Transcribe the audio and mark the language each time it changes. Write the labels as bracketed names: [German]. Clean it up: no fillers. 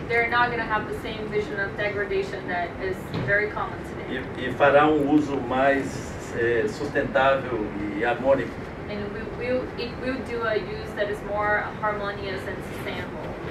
[English] They're not going to have the same vision of degradation that is very common today. [Portuguese] E fará um uso mais sustentável e harmônico. [English] And it will do a use that is more harmonious and sustainable.